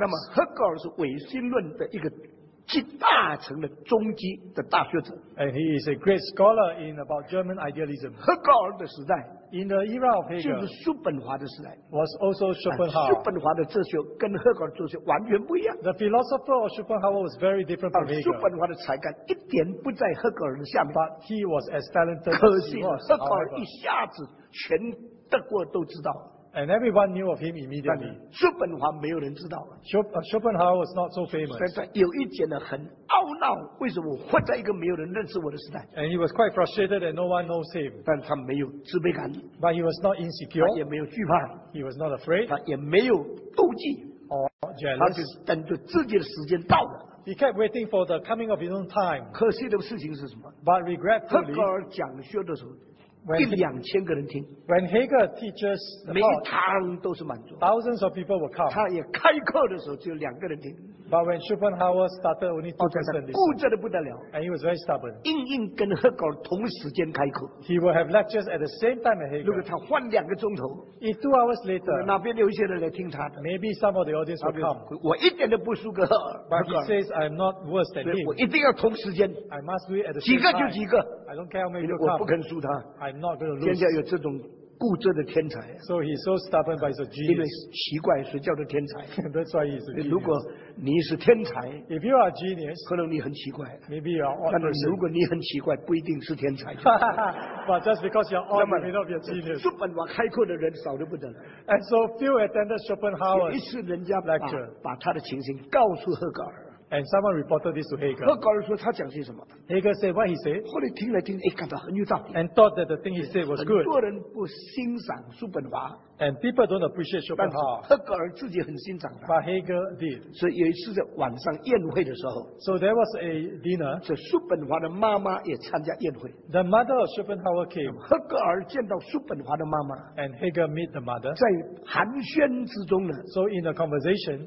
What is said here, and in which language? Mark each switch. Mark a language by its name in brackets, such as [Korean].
[Chinese] 那么赫格尔是唯心论的一个集大成的终极的大学者。 [English] And he is a great scholar in about German idealism. [Chinese] 赫格尔的时代 [English] ，In the era of Hegel， [Chinese] 就是叔本华的时代 [English] ，was also Schopenhauer. [Chinese] 叔本华的哲学跟赫格尔哲学完全不一样。 [English] The philosopher of Schopenhauer was very different from Hegel. [Chinese] 叔本华的才干一点不在赫格尔的下面。 [English] But he was as talented. [Chinese] 可惜赫格尔一下子全德国都知道。 [English] And everyone knew of him immediately. [Chinese] 叔本华没有人知道。 [English] Schopenhauer was not so famous. [Chinese] 但是有一点呢，很懊恼，为什么我活在一个没有人认识我的时代 [English] ？And he was quite frustrated that no one knows him. [Chinese] 但他没有自卑感。 [English] But he was not insecure. [Chinese] 他也没有惧怕。 [English] He was not afraid. [Chinese] 他也没有妒忌。 [English] Or jealous. [Chinese] 他就等着自己的时间到了。 [English] He kept waiting for the coming of his own time. [Chinese] 可惜的事情是什么 [English] ？But regretfully, [Chinese] 赫格尔讲学的时候。1,000,000 [English] When Hegel teaches, [Chinese] 每一堂都是满座。 [English] Thousands of people will come. [Chinese] 他也开课的时候只有两个人听。 [English] But when Schopenhauer started, only 2 people listen. [Chinese] 固执的不得了。 [English] And he was very stubborn. [Chinese] 硬硬跟赫格尔同时间开课。 [English] He will have lectures at the same time as Hegel. [Chinese] 如果他换两个钟头 [English] ，If 2 hours later, [Chinese] 那边有一些人来听他的 [English] ，Maybe some of the audience will come. [Chinese] 我一点都不输个赫尔。 [English] But he says I'm not worse than him. [Chinese] 我一定要同时间。 [English] I must do it at the same time. [Chinese] 几个就几个。 [English] I don't care how many come. [Chinese] 我不肯输他。 [English] I'm not going to lose. [Chinese] 现在有这种固执的天才。 [English] So he's so stubborn, but he's a genius. [Chinese] 因为奇怪，谁叫做天才 [English] ？That's why he's a genius. [Chinese] 如果你是天才 [English] ，If you are genius, [Chinese] 可能你很奇怪 [English] ，Maybe you are ordinary. [Chinese] 但是如果你很奇怪，不一定是天才。 [English] But just because you're ordinary, may not be a genius. [Chinese] 叔本华开课的人少得不得了。 [English] And so few attended Schopenhauer's lecture. [Chinese] 有一次，人家把他的情形告诉赫格尔。 [English] And someone reported this to Hegel. [Chinese] Hegel 说他讲些什么 [English] ？Hegel said what he said. [Chinese] 后来听来听，哎，感到很有道理。 [English] And thought that the thing he said was good. [Chinese] 很多人不欣赏叔本华。 [English] And people don't appreciate Schopenhauer. [Chinese] 赫格尔自己很欣赏他。 [English] But Hegel did. [Chinese] 所以有一次在晚上宴会的时候 [English] ，So there was a dinner. [Chinese] 所以叔本华的妈妈也参加宴会。 [English] The mother of Schopenhauer came. [Chinese] 赫格尔见到叔本华的妈妈。 [English] And Hegel met the mother. [Chinese] 在寒暄之中呢 [English] ，So in the conversation,